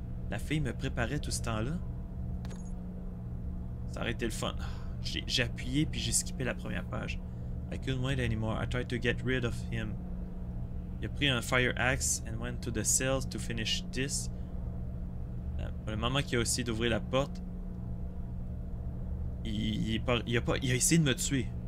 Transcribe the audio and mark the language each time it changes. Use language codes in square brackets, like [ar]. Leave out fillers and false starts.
[fr] La fille me préparait tout ce temps-là? Ça aurait été le fun. J'ai appuyé puis j'ai skippé la première page. [en] I couldn't wait anymore. I tried to get rid of him. [fr] Il a pris un [en] fire axe and went to the cells to finish this. [fr] Pour le moment qu'il a essayé d'ouvrir la porte, il a essayé de me tuer.